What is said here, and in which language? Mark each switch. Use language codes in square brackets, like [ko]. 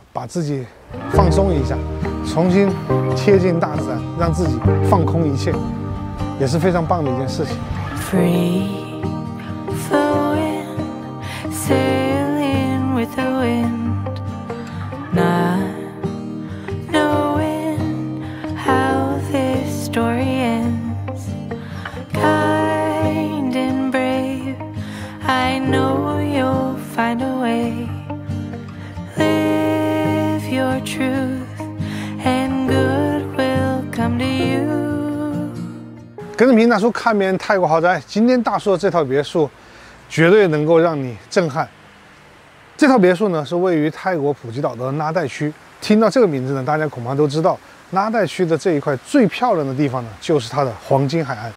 [zh] 把自己放松一下，重新贴近大自然，让自己放空一切，也是非常棒的一件事情。 [en] Free flowing sailing with the wind not knowing how this story ends kind and brave I know you'll find a way live your truth and good will come to you。 [zh] 跟着平大叔看遍泰国豪宅，今天大叔的这套别墅绝对能够让你震撼。这套别墅呢是位于泰国普吉岛的纳代区，听到这个名字呢，大家恐怕都知道纳代区的这一块最漂亮的地方呢就是它的黄金海岸。